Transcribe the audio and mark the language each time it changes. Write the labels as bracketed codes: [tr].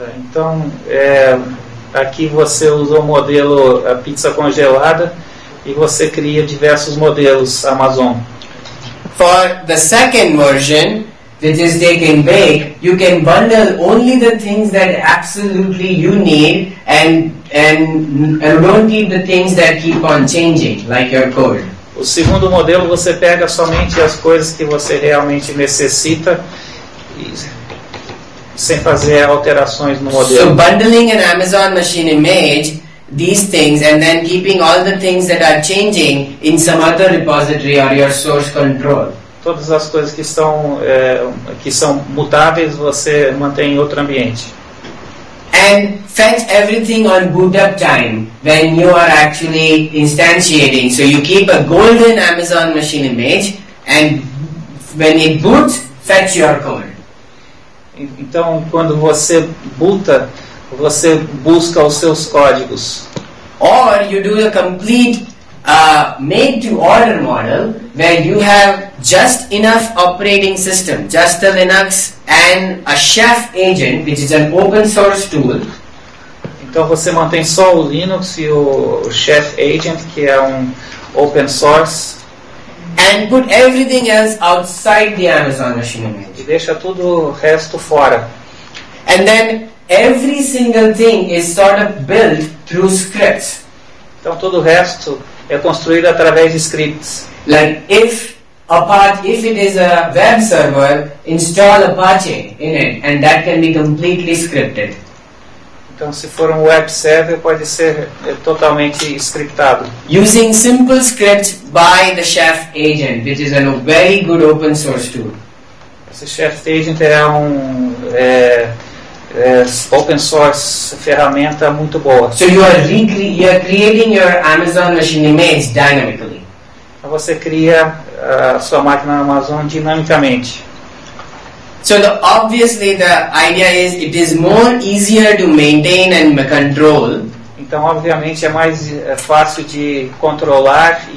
[pt] Então, aqui você usou o modelo a pizza congelada e você cria diversos modelos Amazon. [en] For the second version, which is take and bake, you can bundle only the things that absolutely you need and don't need the things that keep on changing, like your code. [pt] O segundo modelo, você pega somente as coisas que você realmente necessita sem fazer alterações no modelo. [en] So bundling an Amazon machine image, these things, and then keeping all the things that are changing in some other repository or your source control. [pt] Todas as coisas que estão que são mutáveis, você mantém em outro ambiente. [en] And fetch everything on boot up time when you are actually instantiating. So you keep a golden Amazon machine image, and when it boots, fetch your code. [pt] Então, quando você boota, você busca os seus códigos. [en] Or you do a complete made-to-order model where you have just enough operating system, just the Linux and a chef agent, which is an open source tool. [pt] Então você mantém só o Linux e o chef agent, que é open source. [en] And put everything else outside the Amazon machine image. [pt] E deixa tudo o resto fora. [en] And then every single thing is sort of built through scripts. [pt] Então todo o resto é construído através de scripts. [en] Like if it is a web server, install Apache in it and that can be completely scripted. [pt] Então se for um web server pode ser totalmente scriptado. [en] Using simple scripts by the chef agent, which is a very good open source tool. [pt] Esse chef agent é open source ferramenta muito boa. [en] So you are creating your Amazon machine image dynamically. [pt] Você cria a sua máquina Amazon dynamically. [en] So obviously the idea is it is more easier to maintain and control. [pt] Então obviamente é mais fácil de controlar e